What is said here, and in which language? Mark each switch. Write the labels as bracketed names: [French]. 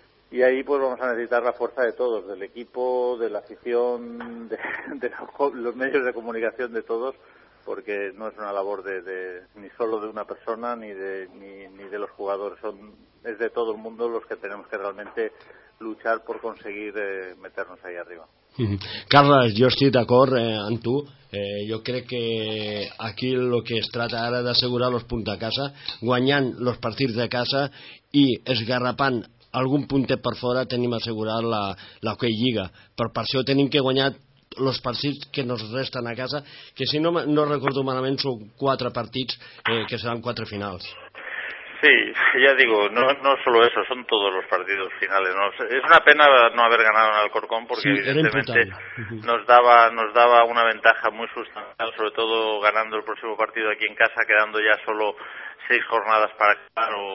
[Spanish] Y ahí pues vamos a necesitar la fuerza de todos, del equipo, de la afición, de los medios de comunicación, de todos, porque no es una labor de ni solo de una persona ni de los jugadores. Es de todo el mundo los que tenemos que realmente luchar por conseguir meternos ahí arriba. [Catalan] Carles, jo estic d'acord amb tu. Jo crec que aquí el que es tracta ara d'assegurar els punts de casa, guanyant els partits de casa i esgarrapant algun puntet per fora, tenim assegurat la Hockey Lliga. Però per això tenim que guanyar els partits que ens resten a casa, que si no recordo malament són quatre partits, que seran quatre finals. [Spanish] Sí, ya digo, no solo eso, son todos los partidos finales, ¿no? Es una pena no haber ganado en Alcorcón, porque sí, evidentemente nos daba una ventaja muy sustancial, sobre todo ganando el próximo partido aquí en casa, quedando ya solo 6 jornadas para acabar.